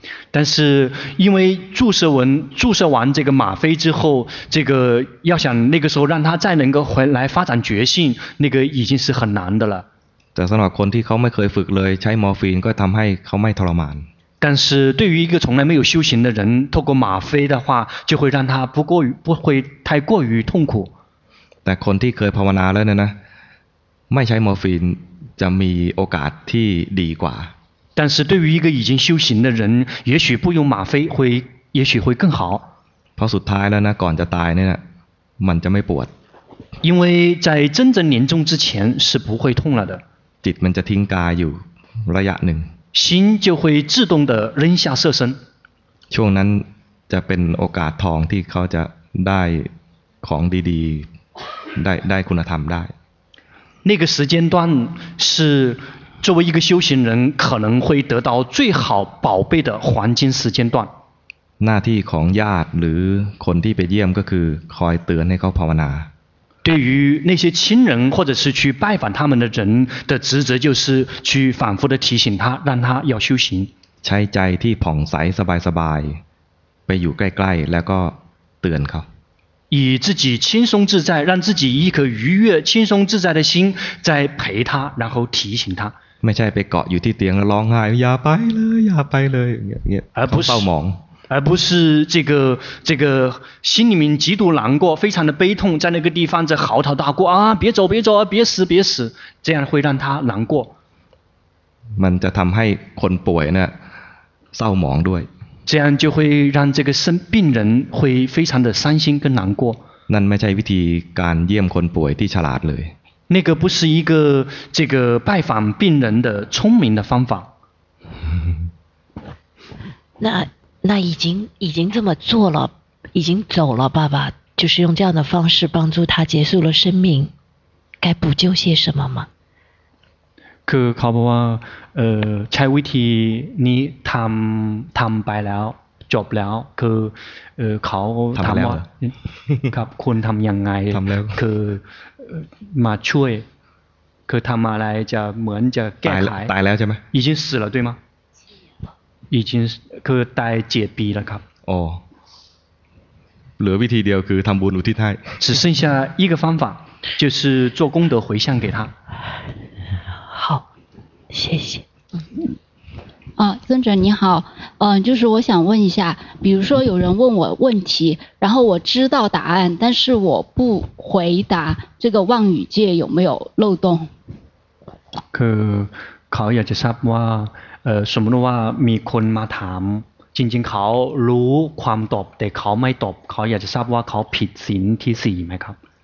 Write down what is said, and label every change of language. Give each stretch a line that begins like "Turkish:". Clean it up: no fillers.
Chinese: 但是因为注射完这个吗啡之后这个要想那个时候让他再能够回来发展觉性那个已经是很难的了
Thai: แต่สำหรับคนที่เขาไม่เคยฝึกเลยใช้มอร์ฟีนก็ทำให้เขาไม่ทรมาน
Chinese: 但是对于一个从来没有修行的人透过吗啡的话就会让他不会太过于痛苦
Thai: แต่คนที่เคยภาวนาแล้วเนี่ยนะไม่ใช้มอร์ฟีนจะมีโอกาสที่ดีกว่า
Chinese: 但是对于一个已经修行的人也许不用吗啡也许会更好
Thai: เพราะสุดท้ายแล้วนะก่อนจะตายเนี่ยมันจะไม่ปวด
Chinese: 因为在真正临终之前是不会痛了的
Thai: จิตมันจะทิ้งกายอยู่ระยะหนึ่ง
Chinese: 心就会自动的扔下色身
Thai: ช่วงนั้นจะเป็นโอกาสทองที่เขาจะได้ของดีๆได้คุณธรรมได้
Chinese: 那个时间段是作为一个修行人可能会得到最好宝贝的黄金时间段
Thai: หน้าที่ของญาติหรือคนที่ไปเยี่ยมก็คือคอยเตือนให้เขาภาวนา
Chinese: 对于那些亲人或者是去拜访他们的人的职责就是去反复的提醒他让他要修行
Thai: ช้ใจที่ผ่องใสสบายๆไปอยู่ใกล้ๆแล้วก็เตือนเขา
Chinese: 以自己轻松自在让自己一颗愉悦轻松自在的心在陪他然后提醒他
Thai: ไม่ใช่ไปเกาะอยู่ที่เตียงแล้วร้องไห้อย่าไปเลยอย่าไปเลยเงี้ย เขาเฝ้ามอง
Chinese: 而不是这个心里面极度难过非常的悲痛在那个地方在嚎啕大哭啊别走别走别死别死这样会让他难过
Thai: มันจะทำให้คนป่วยเนี่ยเศร้าหมองด้วย
Chinese: 这样就会让这个生病人会非常的伤心跟难过
Thai: นั่นไม่ใช่วิธีการเยี่ยมคนป่วยที่ฉลาดเลย
Chinese: 那个不是一个这个拜访病人的聪明的方法那已经这么做了已经走了爸爸就是用这样的方式帮助他结束了生命该补救些什么吗
Thai: คือเขาบอกว่าใช้วิธีนี้ทำไปแล้วจบแล้วคือเขา ทำว่ าครับคุณทำยังไง ทำแล้ว คือมาช่วยคือทำอะไรจะเหมือนจะแก้ไข ตายแล้วใช่ไหม
Chinese: 已经死了对吗已经
Thai: คือตาย7ปีแล้วครับ อ๋อเหลือวิธีเดียวคือทำบุญอุทิศให้
Chinese: 只剩下一个方法就是做功德回向给他谢谢。啊，尊者你好，就是我想问一下，比如说有人问我问题，然后我知道答案，但是我不回答，这个妄语戒有没有漏洞？
Thai: คือเขาอยากจะทราบว่าสมมติว่ามีคนมาถามจริงๆเขารู้ความตอบแต่เขาไม่ตอบเขาอยากจะทราบว่าเขาผิดศีลที่สี่ไหมครับ？